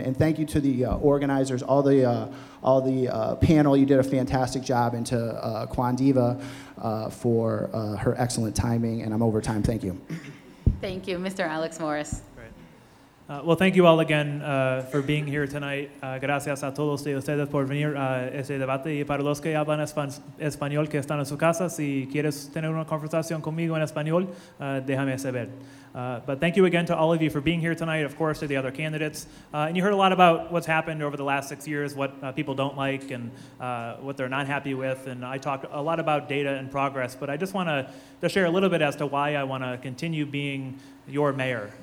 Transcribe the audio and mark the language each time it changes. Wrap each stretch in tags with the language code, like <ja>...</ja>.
<en>And thank you to the organizers, all the panel. You did a fantastic job, and to Quandiva for her excellent timing, and I'm over time. Thank you. Thank you, Mr. Alex Morris. Well, thank you all again for being here tonight.</en> <es>Gracias a todos ustedes por venir a este debate. Y para los que hablan español que están en su casa, si quieres tener una conversación conmigo en español, déjame saber.</es> <en>But thank you again to all of you for being here tonight, of course, to the other candidates. And you heard a lot about what's happened over the last 6 years, what people don't like and what they're not happy with. And I talked a lot about data and progress, but I just want to share a little bit as to why I want to continue being your mayor.</en>